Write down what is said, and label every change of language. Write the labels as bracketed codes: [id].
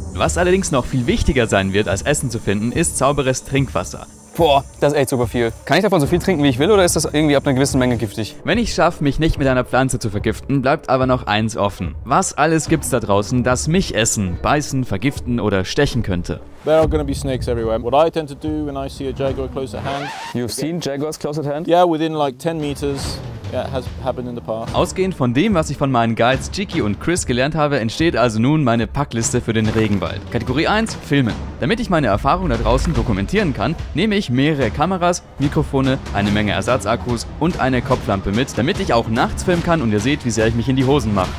[de] Was allerdings noch viel wichtiger sein wird, als Essen zu finden, ist sauberes Trinkwasser. Boah, das ist echt super viel. Kann ich davon so viel trinken, wie ich will, oder ist das irgendwie ab einer gewissen Menge giftig? Wenn ich schaffe, mich nicht mit einer Pflanze zu vergiften, bleibt aber noch eins offen. Was alles gibt's da draußen, das mich essen, beißen, vergiften oder stechen könnte? [en] There are going to be snakes everywhere. What I tend to do when I see a jaguar close at hand... You've seen jaguars close at hand? Yeah, within like 10 meters. Yeah, has happened in the past. [de] Ausgehend von dem, was ich von meinen Guides Chiki und Chris gelernt habe, entsteht also nun meine Packliste für den Regenwald. Kategorie 1, Filmen. Damit ich meine Erfahrungen da draußen dokumentieren kann, nehme ich mehrere Kameras, Mikrofone, eine Menge Ersatzakkus und eine Kopflampe mit, damit ich auch nachts filmen kann und ihr seht, wie sehr ich mich in die Hosen mache.